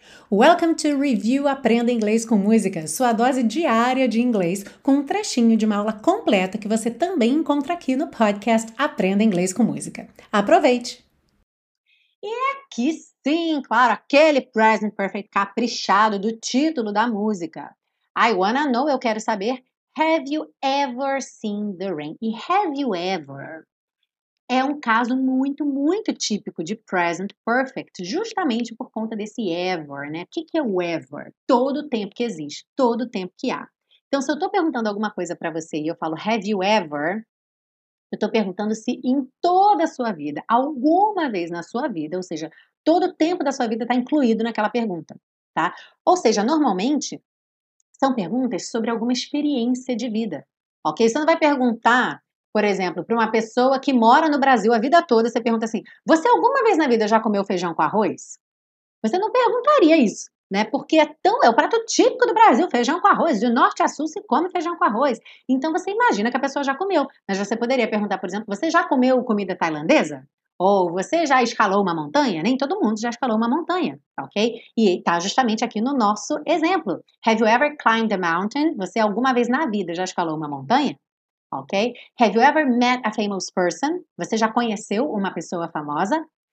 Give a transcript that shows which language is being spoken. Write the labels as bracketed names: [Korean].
[Portuguese] Welcome to Review Aprenda Inglês com Música, sua dose diária de inglês, com um trechinho de uma aula completa que você também encontra aqui no podcast Aprenda Inglês com Música. Aproveite! E aqui sim, claro, aquele present perfect caprichado do título da música. [English] I wanna know, [Portuguese] eu quero saber, [English] have you ever seen the rain? E have you ever? [Portuguese] É um caso muito, muito típico de present perfect, justamente por conta desse ever, né? O que é o ever? Todo o tempo que existe, todo o tempo que há. Então, se eu estou perguntando alguma coisa para você e eu falo, [English] have you ever? [Portuguese] Eu estou perguntando se em toda a sua vida, alguma vez na sua vida, ou seja, todo o tempo da sua vida está incluído naquela pergunta, tá? Ou seja, normalmente, são perguntas sobre alguma experiência de vida, ok? Você não vai perguntar, por exemplo, para uma pessoa que mora no Brasil a vida toda, você pergunta assim, você alguma vez na vida já comeu feijão com arroz? Você não perguntaria isso, né? Porque é o prato típico do Brasil, feijão com arroz. Do norte a sul se come feijão com arroz. Então você imagina que a pessoa já comeu. Mas você poderia perguntar, por exemplo, você já comeu comida tailandesa? Ou você já escalou uma montanha? Nem todo mundo já escalou uma montanha, ok? E está justamente aqui no nosso exemplo. [English] Have you ever climbed a mountain? [Portuguese] Você alguma vez na vida já escalou uma montanha? Ok? [English] Have you ever met a famous person? [Portuguese] Você já conheceu uma pessoa famosa?